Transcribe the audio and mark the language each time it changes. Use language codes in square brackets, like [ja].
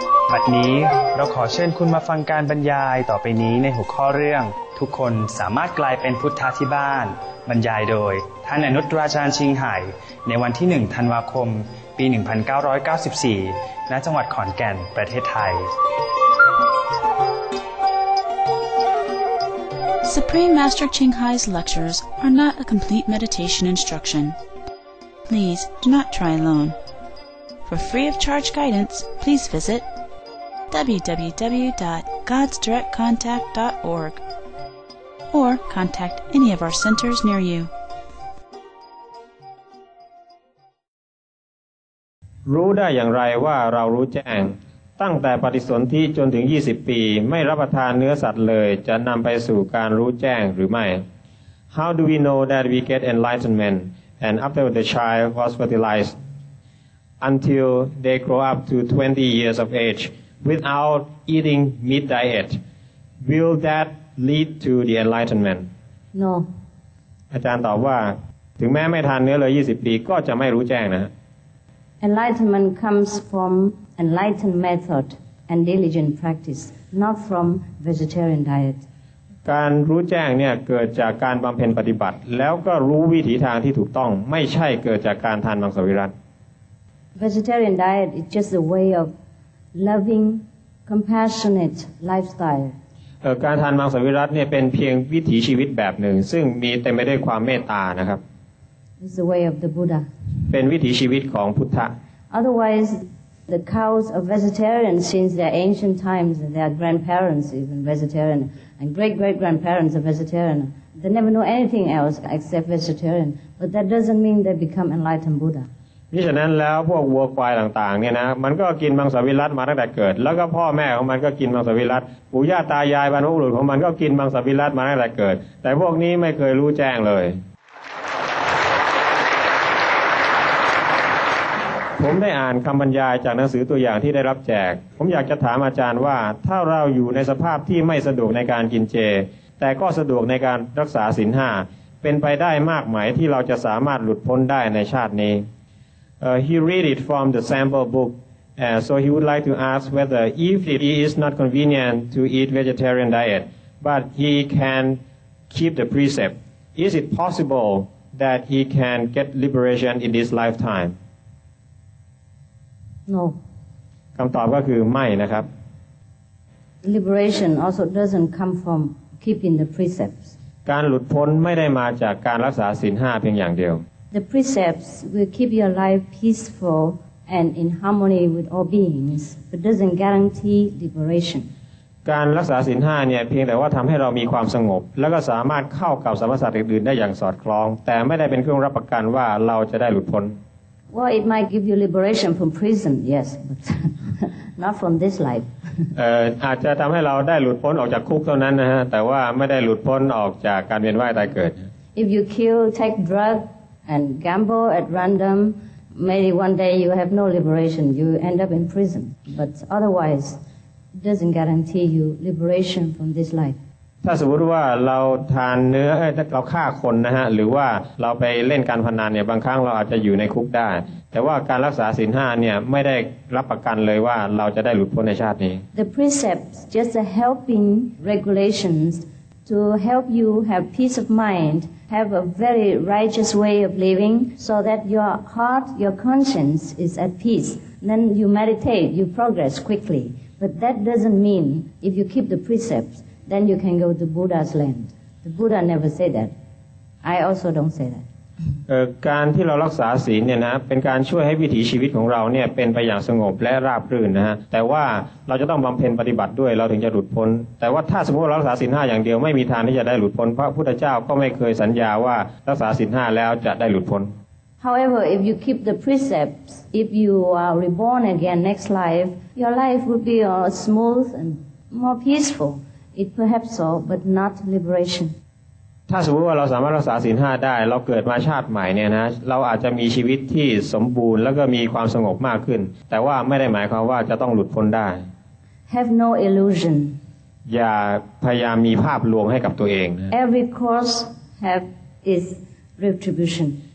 [th] บัดนี้เราขอเชิญคุณมาฟังการบรรยายต่อไปนี้ในหัวข้อเรื่องทุกคนสามารถกลายเป็นพุทธะที่บ้านบรรยายโดยท่านอนุตราจารย์ชิงไห่ในวันที่1ธันวาคมปี1994ณจังหวัดขอนแก่นประเทศไทย [en] Supreme Master Ching Hai's lectures are not a complete meditation instruction. Please do not try alone. For free of charge guidance, please visit www.godsdirectcontact.orgOr contact any of our centers near you. [th] รู้ได้อย่างไรว่าเรารู้แจ้งตั้งแต่ปฏิสนธิจนถึง20ปีไม่รับประทานเนื้อสัตว์เลยจะนำไปสู่การรู้แจ้งหรือไม่ [en] How do we know that we get enlightenment and after the child was fertilized until they grow up to 20 years of age without eating meat diet? Will thatlead to the enlightenment? No. [th] อาจารย์ตอบว่าถึงแม้ไม่ทานเนื้อเลย20ปีก็จะไม่รู้แจ้งนะ [en] Enlightenment comes from enlightened method and diligent practice, not from vegetarian diet. [th] การรู้แจ้งเนี่ยเกิดจากการบำเพ็ญปฏิบัติแล้วก็รู้วิถีทางที่ถูกต้องไม่ใช่เกิดจากการทานมังสวิรัต [en] Vegetarian diet is just a way of loving, compassionate lifestyle [th] การทานมังสวิรัติเนี่ยเป็นเพียงวิถีชีวิตแบบหนึ่งซึ่งมีเต็มไปด้วยความเมตตานะครับ [en] It's the way of the Buddha [th] เป็นวิถีชีวิตของพุทธะ [en] Otherwise the cows are vegetarian since their ancient times their grandparents even vegetarian and great great grandparents are vegetarian they never know anything else except vegetarian but that doesn't mean they become enlightened Buddha [th] นี่ฉะนั้นแล้วพวกวัวควายต่างๆเนี่ยนะมันก็กินมังสวิรัติมาตั้งแต่เกิดแล้วก็พ่อแม่ของมันก็กินมังสวิรัติปู่ย่าตายายบรรพบุรุษของมันก็กินมังสวิรัติมาตั้งแต่เกิดแต่พวกนี้ไม่เคยรู้แจ้งเลย ผมได้อ่านคำบรรยายจากหนังสือตัวอย่างที่ได้รับแจกผมอยากจะถามอาจารย์ว่าถ้าเราอยู่ในสภาพที่ไม่สะดวกในการกินเจแต่ก็สะดวกในการรักษาศีล5เป็นไปได้มากไหมที่เราจะสามารถหลุดพ้นได้ในชาตินี้ [en] He read it from the sample book, so he would like to ask whether if it is not convenient to eat vegetarian diet, but he can keep the precept, is it possible that he can get liberation in this lifetime? No. [th] คำตอบก็คือไม่นะครับ [en] Liberation also doesn't come from keeping the precepts. [th] การหลุดพ้นไม่ได้มาจากการรักษาศีล 5 เพียงอย่างเดียว [en] The precepts will keep your life peaceful and in harmony with all beings, but doesn't guarantee liberation. [th] การรักษาศีล 5 เนี่ยเพียงแต่ว่าทําให้เรามีความสงบแล้วก็สามารถเข้ากับสรรพสัตว์อื่นๆได้อย่างสอดคล้องแต่ไม่ได้เป็นเครื่องรับประกันว่าเราจะได้หลุดพ้น [en] Well, it might give you liberation from prison, yes, but not from this life. [th] อาจจะทําให้เราได้หลุดพ้นออกจากคุกเท่านั้นนะฮะแต่ว่าไม่ได้หลุดพ้นออกจากการเวียนว่ายตายเกิด [en] If you kill, take drugs and gamble at random, maybe one day you have no liberation, you end up in prison. But otherwise doesn't guarantee you liberation from this life. [th] ถ้าสมมติว่าเราทานเนื้อเราฆ่าคนนะฮะหรือว่าเราไปเล่นการพนันเนี่ยบางครั้งเราอาจจะอยู่ในคุกได้แต่ว่าการรักษาศีล 5 เนี่ยไม่ได้รับประกันเลยว่าเราจะได้หลุดพ้นในชาตินี้ [en] The precepts just a helping regulations to help you have peace of mind have a very righteous way of living so that your heart your conscience is at peace then you meditate you progress quicklyBut that doesn't mean if you keep the precepts, then you can go to Buddha's land. The Buddha never said that. I also don't say that. [th] การที่เรารักษาศีลเนี่ยนะเป็นการช่วยให้วิถีชีวิตของเราเนี่ยเป็นไปอย่างสงบและราบรื่นนะฮะแต่ว่าเราจะต้องบำเพ็ญปฏิบัติด้วยเราถึงจะหลุดพ้นแต่ว่าถ้าสมมติเรารักษาศีล 5 อย่างเดียวไม่มีทางที่จะได้หลุดพ้นเพราะพุทธเจ้าก็ไม่เคยสัญญาว่ารักษาศีล 5 แล้วจะได้หลุดพ้น [en] However, if you keep the precepts, if you are reborn again next life,Your life would be smooth and more peaceful. It perhaps so, but not liberation. [th] ถ้าสมมติว่าเราสามารถรักษาศีล 5 ได้เราเกิดมาชาติใหม่เนี่ยนะเราอาจจะมีชีวิตที่สมบูรณ์แล้วก็มีความสงบมากขึ้นแต่ว่าไม่ได้หมายความว่าจะต้องหลุดพ้นได้ [en] Have no illusion. [th] อย่าพยายามมีภาพลวงให้กับตัวเองนะ [en] Every course have its retribution.